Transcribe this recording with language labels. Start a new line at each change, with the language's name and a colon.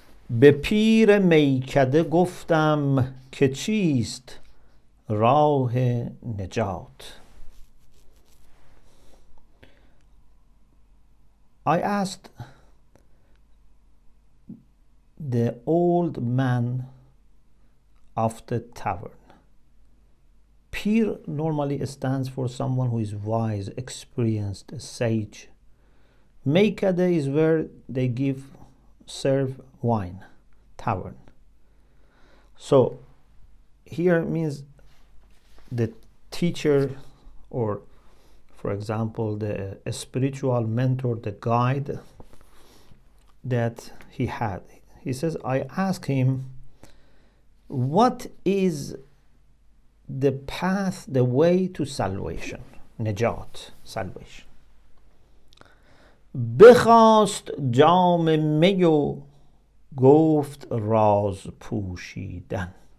Persian: به پیر میکده گفتم که چیست راه نجات.
English: I asked the old man of the tavern. Pir normally stands for someone who is wise, experienced, a sage. Meikade is where they give, serve wine, tavern. So here means the teacher, or for example, the spiritual mentor, the guide that he had. He says, I asked him, what is the path, the way to salvation, najat, salvation?
Persian: بخواست جام می و گفت راز پوشیدن.